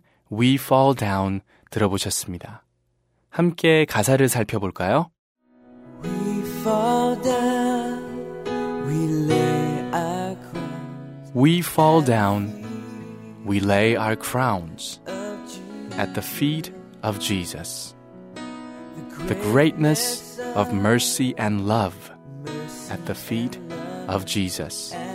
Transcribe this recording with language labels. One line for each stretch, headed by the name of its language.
Korean: We Fall Down 들어보셨습니다. 함께 가사를 살펴볼까요?
English: We fall down, we lay our crowns. We fall down, we lay our crowns at the feet of Jesus. The greatness of mercy and love at the feet of Jesus.